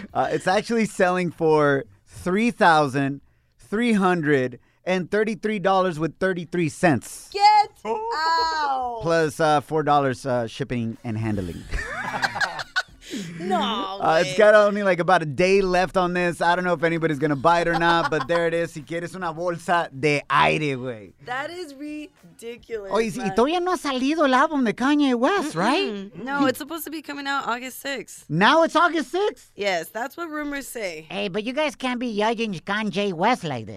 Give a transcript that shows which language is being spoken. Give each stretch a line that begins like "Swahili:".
English: It's actually selling for $3,333.33. Get out! Plus $4 shipping and handling. No. It's got only like about a day left on this. I don't know if anybody's going to buy it or not, but there it is.
Spanish: Si quieres una bolsa de aire, güey.
English: That is ridiculous.
Spanish: Oh, y todavía no ha salido el álbum de Kanye West, right?
English: No, it's supposed to be coming out August 6th. Now it's August 6th? Yes, that's what rumors say. Hey, but you guys can't be judging Kanye West like this.